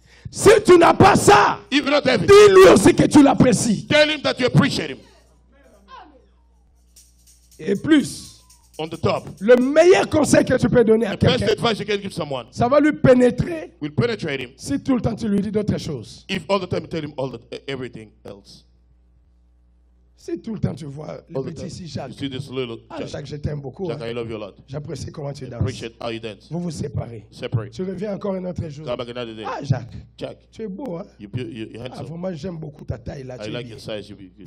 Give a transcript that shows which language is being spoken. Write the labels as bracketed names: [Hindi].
[French] Si tu n'as pas ça, dis-lui aussi que tu l'apprécies. [English] Tell him that you appreciate him. [French] Et plus, [English] on the top, [French] le meilleur conseil que tu peux donner à quelqu'un, [English] best advice you can give someone, [French] ça va lui pénétrer. [English] Will penetrate him. [French] Si tout le temps tu lui dis d'autres choses. [English] If all the time you tell him all the everything else. [French] Si tout le temps tu vois all le petit ici Jacques. [English] You see this little [French] Jacques. Jacques, je t'aime beaucoup. [English] Jacques, hein. I love you a lot. [French] J'apprécie comment tu danses. [English] Appreciate how you dance. [French] Vous vous séparez. [English] Separate. [French] Tu reviens encore une autre jour. [English] Come back another day. [French] Ah Jacques. Jacques. Tu es beau hein. [English] You're handsome. [French] Ah vraiment j'aime beaucoup ta taille là. [English] I like your size. You be good.